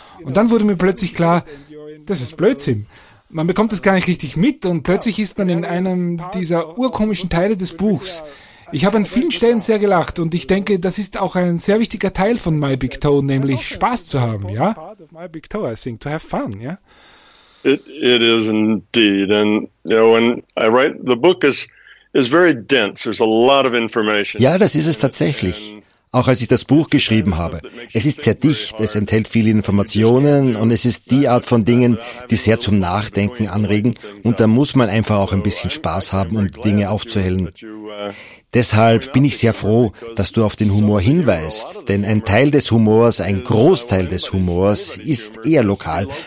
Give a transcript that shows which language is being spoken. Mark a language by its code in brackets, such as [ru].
[de] Und dann wurde mir plötzlich klar, das ist Blödsinn. Man bekommt es gar nicht richtig mit und plötzlich ist man in einem dieser urkomischen Teile des Buchs. Ich habe an vielen Stellen sehr gelacht und ich denke, das ist auch ein sehr wichtiger Teil von My Big Toe, nämlich Spaß zu haben, ja? [en] My Big Toe, I think, to have fun, yeah? It is indeed. And you know, when I write, the book is very dense. There's a lot of information. [de] Ja, das ist es tatsächlich. auch als ich das Buch geschrieben habe. Es ist sehr dicht, es enthält viele Informationen und es ist die Art von Dingen, die sehr zum Nachdenken anregen und da muss man einfach auch ein bisschen Spaß haben, um die Dinge aufzuhellen. Deshalb bin ich sehr froh, dass du auf den Humor hinweist, denn ein Teil des Humors, ein Großteil des Humors ist eher lokal.